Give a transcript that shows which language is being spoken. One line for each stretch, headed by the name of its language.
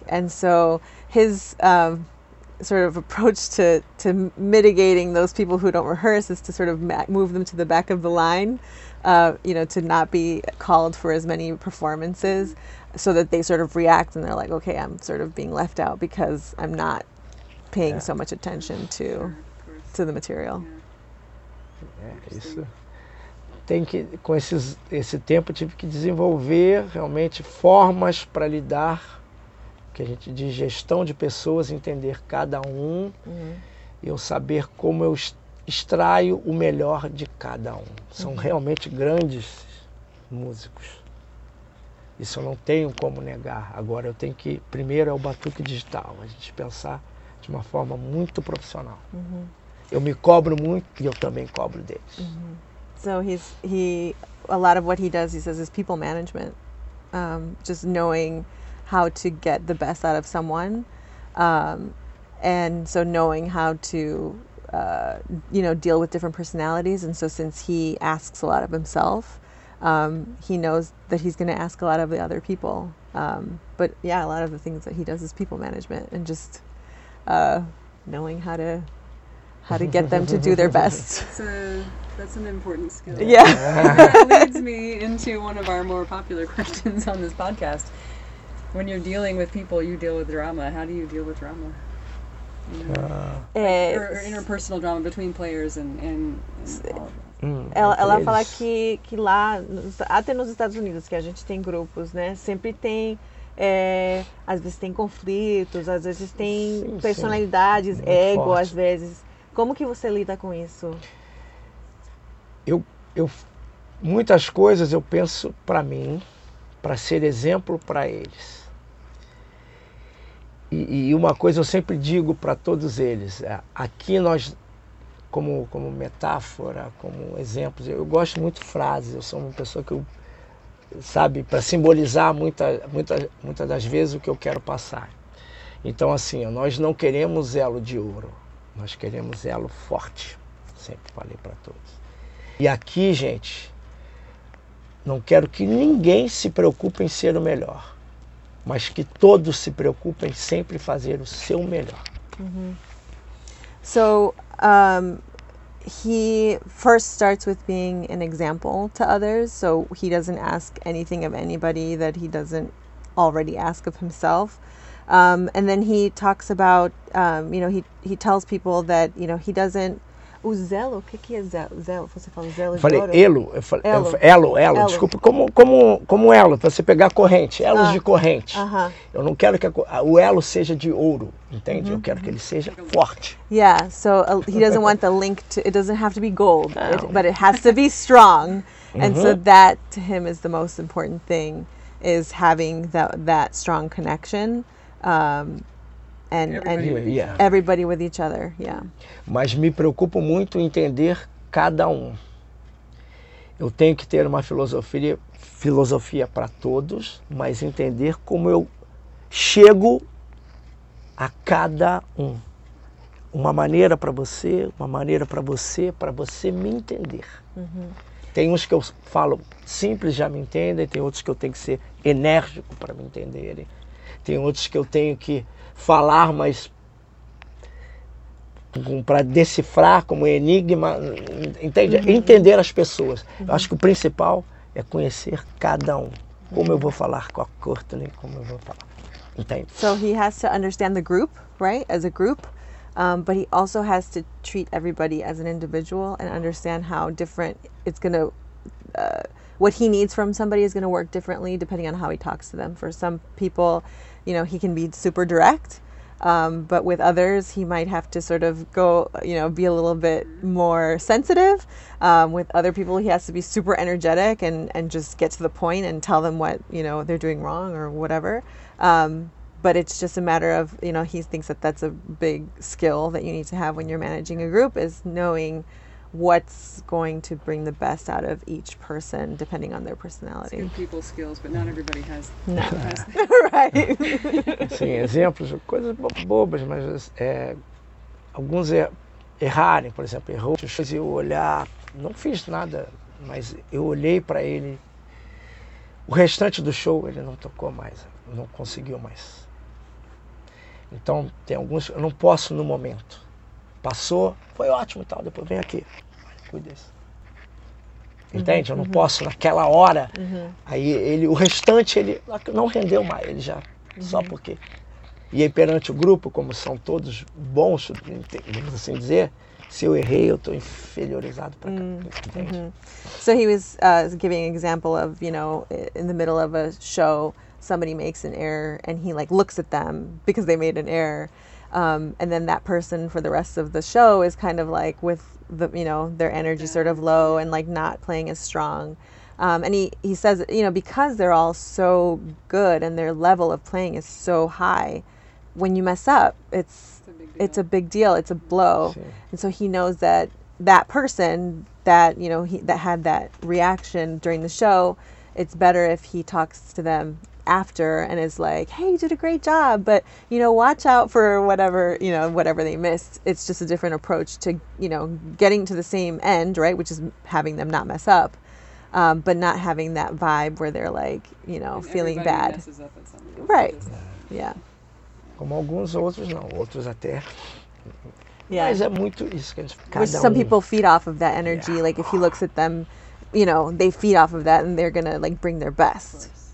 English: And so his sort of approach to mitigating those people who don't rehearse is to sort of move them to the back of the line, you know, to not be called for as many performances. So that they sort of react and they're like, okay, I'm sort of being left out because I'm not paying so much attention to the material.
Portuguese: Isso. Tem que, com esse tempo, tive que desenvolver realmente formas para lidar, que a gente diz gestão de pessoas, entender cada um, uhum. e eu saber como eu extraio o melhor de cada um. São uhum. realmente grandes músicos. Isso eu não tenho como negar. Agora eu tenho que, primeiro é o batuque digital, a gente pensar de uma forma muito profissional. Uhum. Eu me cobro muito e eu também cobro deles. Uhum.
English: So he a lot of what he does, he says, is people management. Just knowing how to get the best out of someone. And so knowing how to, you know, deal with different personalities. And so since he asks a lot of himself, he knows that he's going to ask a lot of the other people. But yeah, a lot of the things that he does is people management and just knowing how to get them to do their best. That's an important skill. Yeah. That leads me into one of our more popular questions on this podcast. When you're dealing with people, you deal with drama. How do you deal with drama? Or interpersonal drama between players and
Portuguese: ela fala que lá, até nos Estados Unidos, que a gente tem grupos, né? Sempre tem, às vezes tem conflitos, às vezes tem sim, personalidades, sim. ego, forte. Às vezes. Como que você lida com isso? Eu muitas coisas eu penso para mim, para ser exemplo para eles. E uma coisa eu sempre digo para todos eles, aqui nós, como metáfora, como exemplo, eu gosto muito de frases, eu sou uma pessoa que, sabe, para simbolizar muitas das vezes o que eu quero passar. Então, assim, nós não queremos elo de ouro, nós queremos elo forte, sempre falei para todos. E aqui, gente, não quero que ninguém se preocupe em ser o melhor, mas que todos se preocupem sempre fazer o seu melhor. Mm-hmm.
English: So, he first starts with being an example to others, so he doesn't ask anything of anybody that he doesn't already ask of himself. And then he talks about, you know, he tells people that, you know, he doesn't
Portuguese: O zelo, o que é zelo? Zelo, você fala zelo de falei, ouro? Elo, eu falei elo, elo. Desculpa, como elo, para você pegar corrente, elos de corrente. Uh-huh. Eu não quero que o elo seja de ouro, entende? Uh-huh. Eu quero que ele seja forte.
English: Yeah, so he doesn't want the link to, it doesn't have to be gold, but it has to be strong. And uh-huh. so that to him is the most important thing, is having that strong connection. And everybody with each other, yeah.
Portuguese: Mas me preocupo muito em entender cada um. Eu tenho que ter uma filosofia para todos, mas entender como eu chego a cada um. Uma maneira para você, uma maneira para você me entender. Uhum. Tem uns que eu falo simples, já me entendem, tem outros que eu tenho que ser enérgico para me entenderem. Tem outros que eu tenho que falar, mas para decifrar como enigma, entende? Uhum. Entender as pessoas. Uhum. Eu acho que o principal é conhecer cada um. Como eu vou falar com a Courtney, como eu vou falar, entende?
English: So he has to understand the group, right? As a group, but he also has to treat everybody as an individual and understand how different it's going to... what he needs from somebody is going to work differently depending on how he talks to them. For some people, you know, he can be super direct, but with others, he might have to sort of go, you know, be a little bit more sensitive. With other people, he has to be super energetic and just get to the point and tell them what, you know, they're doing wrong or whatever. But it's just a matter of, you know, he thinks that that's a big skill that you need to have when you're managing a group, is knowing what's going to bring the best out of each person, depending on their personality. It's good people skills, but not everybody has. No. Right.
Portuguese: Sim, exemplos, coisas bobas, mas alguns errarem, por exemplo, errou. Eu olhar, não fiz nada, mas eu olhei para ele. O restante do show ele não tocou mais, não conseguiu mais. Então tem alguns, eu não posso no momento. Passou, foi ótimo e tal, depois vem aqui, cuide disso. Entende? Uhum. Eu não posso naquela hora, uhum. aí ele, o restante, ele não rendeu mais, ele já, uhum. só porque. E aí perante o grupo, como são todos bons, assim dizer, Se eu errei, eu tô inferiorizado pra cá. Mm-hmm.
English: So he was giving an example of, you know, in the middle of a show, somebody makes an error and he like looks at them because they made an error. And then that person for the rest of the show is kind of like with the, you know, their energy sort of low and like not playing as strong. And he says, you know, because they're all so good and their level of playing is so high, when you mess up, it's a big deal. It's a blow. Sure. And so he knows that that person that, you know, that had that reaction during the show, it's better if he talks to them after and is like, hey, you did a great job, but you know, watch out for whatever, you know, whatever they missed. It's just a different approach to, you know, getting to the same end, right, which is having them not mess up, but not having that vibe where they're like, you know, and feeling bad, messes up right, yeah.
Portuguese: Como alguns outros não, outros até.
English: Yeah,
Portuguese: mas é muito isso que a gente, cada
English: which some people feed off of that energy, yeah. Like if he looks at them, you know, they feed off of that and they're gonna like bring their best.